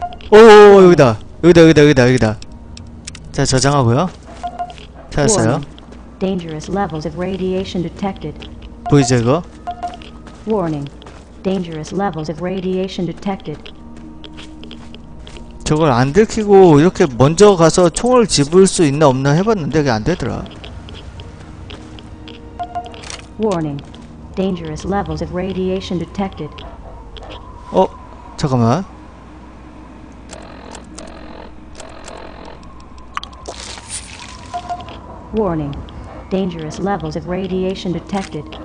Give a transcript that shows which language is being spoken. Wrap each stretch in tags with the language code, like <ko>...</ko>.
<ko>오오오 여기다 여기다 여기다 여기다 여기다. 자, 저장하고요. 찾았어요.</ko> <en>Dangerous levels of radiation detected.</en> <ko>보이죠 이거?</ko> <en>Warning. Dangerous levels of radiation detected.</en> <ko>저걸 안 들키고 이렇게 먼저 가서 총을 집을 수 있나 없나 해봤는데 그게 안 되더라.</ko> <en>Warning. Dangerous levels of radiation detected.</en> <ko>어? 잠깐만.</ko> <en>워닝. Dangerous levels of radiation detected.</en>